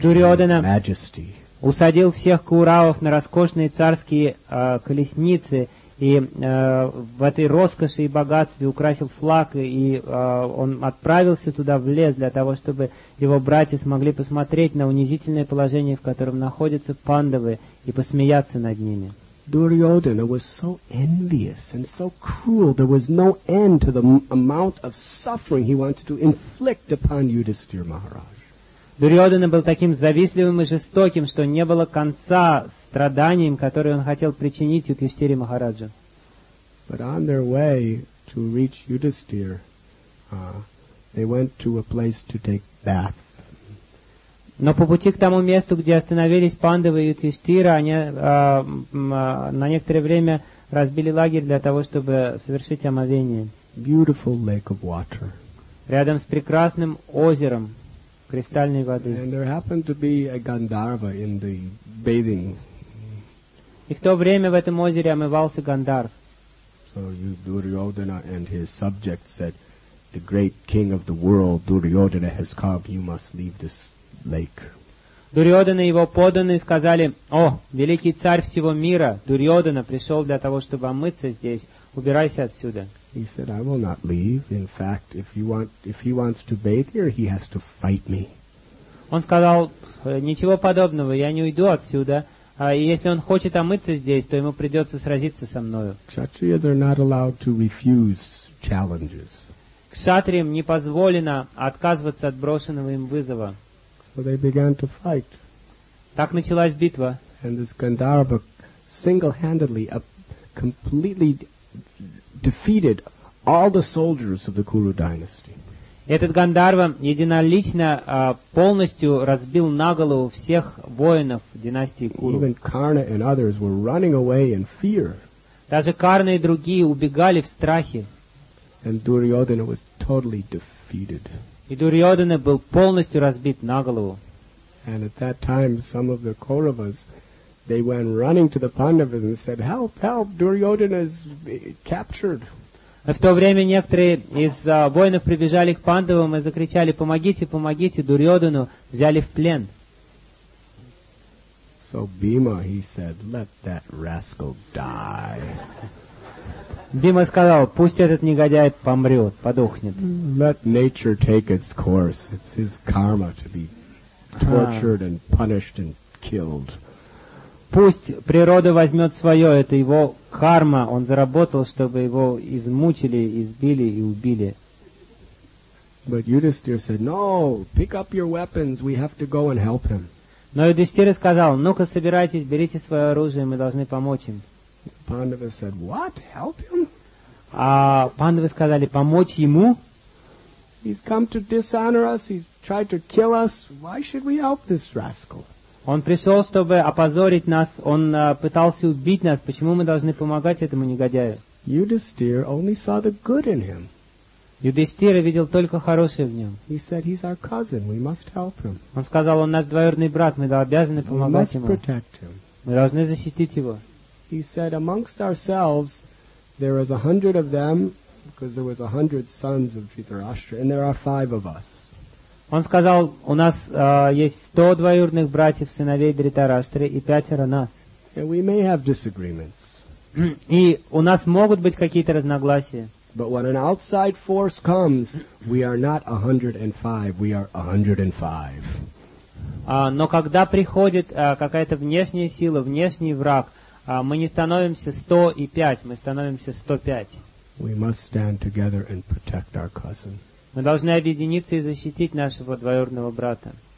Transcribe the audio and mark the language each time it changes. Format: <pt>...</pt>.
<en>Duryodhana majesty.</en> <ru>Усадил всех Кауравов на роскошные царские колесницы и в этой роскоши и богатстве украсил флаг, и он отправился туда в лес для того, чтобы его братья смогли посмотреть на унизительное положение, в котором находятся Пандавы, и посмеяться над ними.</ru> <en>Duryodhana was so envious and so cruel, there was no end to the amount of suffering he wanted to inflict upon Yudhisthira Maharaj.</en> <ru>Duryodhana был таким завистливым и жестоким, что не было конца страданиям, которые он хотел причинить Юдхиштхире Махараджу.</ru> <en>But on their way to reach Yudhisthira, they went to a place to take bath.</en> <ru>Но по пути к тому месту, где остановились Пандавы и Юдхиштхира, они на некоторое время разбили лагерь для того, чтобы совершить омовение.</ru> <en>Beautiful lake of water.</en> <ru>Рядом с прекрасным озером. Кристальной воды.</ru> <en>And there happened to be a Gandharva in the bathing.</en> <ru>И в то время в этом озере омывался Гандхарв.</ru> <en>So Duryodhana and his subjects said, "The great king of the world, Duryodhana, has come. You must leave this lake."</en> <ru>Duryodhana и его подданные сказали: "О, великий царь всего мира, Duryodhana пришел для того, чтобы омыться здесь. Убирайся отсюда."</ru> <en>He said, "I will not leave. In fact, if he wants to bathe here, he has to fight me."</en> <ru>Он сказал: "Ничего подобного, я не уйду отсюда. И если он хочет омыться здесь, то ему придется сразиться со мною."</ru> <en>Kshatriyas are not allowed to refuse challenges.</en> <ru>Кшатриям не позволено отказываться от брошенного им вызова.</ru> <en>So they began to fight.</en> <ru>Так началась битва.</ru> <en>And this Gandharva single-handedly, completely defeated all the soldiers of the Kuru dynasty.</en> <ru>Этот Гандхарва единолично полностью разбил на голову всех воинов династии Куру.</ru> <en>Even Karna and others were running away in fear.</en> <ru>Даже Карна и другие убегали в страхе.</ru> <en>And Duryodhana was totally defeated.</en> <ru>И Дурьодхана был полностью разбит на голову.</ru> <en>And at that time some of the Kauravas, they went running to the Pandavas and said, "Help, help, Duryodhana is captured."</en> <ru>В то время некоторые из воинов прибежали к Пандавам и закричали: "Помогите, помогите, Дурьодхану взяли в плен."</ru> <en>So Bhima, he said, "Let that rascal die."</en> <ru>Бима сказал: "Пусть этот негодяй помрет, подохнет."</ru> <en>Let nature take its course. It's his karma to be tortured and punished and killed.</en> <ru>пусть природа возьмет свое, это его карма, он заработал, чтобы его измучили, избили и убили.</ru> <en>But Yudhisthira said, "No, pick up your weapons. We have to go and help him."</en> <ru>Но Юдистир сказал: "Ну-ка, собирайтесь, берите свое оружие, мы должны помочь им."</ru> <en>Pandava said, "What? Help him?"</en> <ru>А Пандавы сказали: "Помочь ему?"</ru> <en>He's come to dishonor us. He's tried to kill us. Why should we help this rascal?</en> <ru>Он пришел, чтобы опозорить нас. Он пытался убить нас. Почему мы должны помогать этому негодяю?</ru> <en>Yudhisthira only saw the good in him.</en> <ru>Юдистира видел только хорошее в нем.</ru> <en>He said, "He's our cousin. We must help him."</en> <ru>Он сказал: "Он наш двоюродный брат. Мы обязаны помогать ему."</ru> <en>We must protect him.</en> <ru>Мы должны защитить его.</ru> <en>He said, "Amongst ourselves, there is 100 of them, because there was 100 sons of Dhritarashtra, and there are 5 of us."</en> <ru>Он сказал: "У нас есть 100 двоюродных братьев, сыновей Дхритараштры, и 5 нас."</ru> <en>And we may have disagreements.</en> <ru>И у нас могут быть какие-то разногласия.</ru> <en>But when an outside force comes, we are not 105, we are 105.</en> <ru>Но когда приходит какая-то внешняя сила, внешний враг, мы не становимся 105, мы становимся 105.</ru> <en>We must stand together and protect our cousin.</en> <ru>Мы должны объединиться и защитить нашего двоюродного брата.</ru>